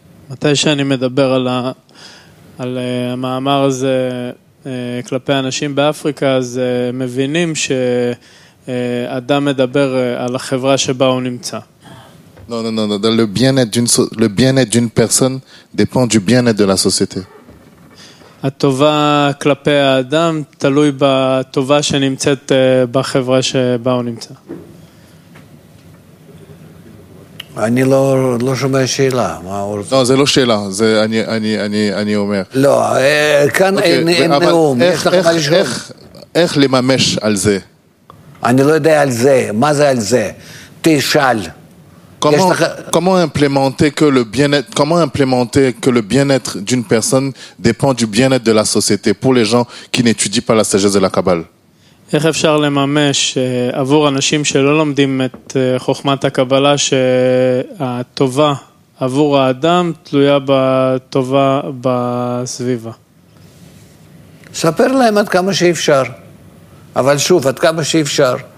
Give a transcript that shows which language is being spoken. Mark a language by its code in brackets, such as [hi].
[he] מתי שאני מדבר על המאמר הזה כלפי אנשים באפריקה, אז מבינים ש אדם מדבר על החברה שבה הוא נמצא. [fr] No, le bien-être d'une personne dépend du bien-être de la société. [he] הטובה כלפי האדם תלוי בטובה שנמצאת בחברה שבה הוא נמצא. אני לא שומע שאלה, מה הוא רוצה? לא, זה לא שאלה, זה אני אומר. לא, כאן אין נאום, יש לך מה לשאול. איך לממש על זה? אני לא יודע על זה, מה זה על זה? תשאל. [fr] Comment implémenter que le bien-être d'une personne dépend du bien-être de la société pour les gens qui n'étudient pas la sagesse de la Kabbale? [he] איך אפשר לממש עבור אנשים שלא לומדים את חוכמת הקבלה שהטובה עבור האדם תלויה בטובה בסביבה? ספר להם עד כמה שאפשר. אבל שוב, עד כמה שאפשר.